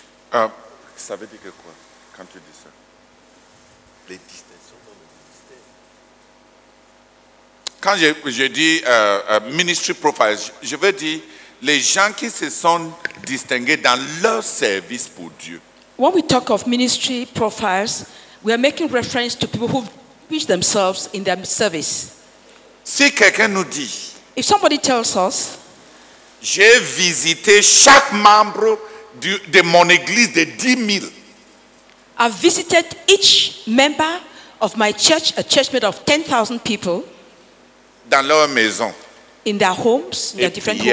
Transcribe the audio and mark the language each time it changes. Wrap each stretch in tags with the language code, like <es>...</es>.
<fr>Ça veut dire quoi quand tu dis ça? Les distinctions dans le ministère. Quand je dis ministry profiles, je veux dire les gens qui se sont distingués dans leur service pour Dieu.</fr> <en>When we talk of ministry profiles, we are making reference to people who reach themselves in their service.</en> <fr>Si quelqu'un nous dit,</fr> <en>if somebody tells us,</en> <fr>j'ai visité chaque membre de mon église de 10 000.</fr> <en>I visited each member of my church, a church made of 10,000 people.</en> <fr>Dans leur maison.</fr> <en>In their homes, in their different homes.</en>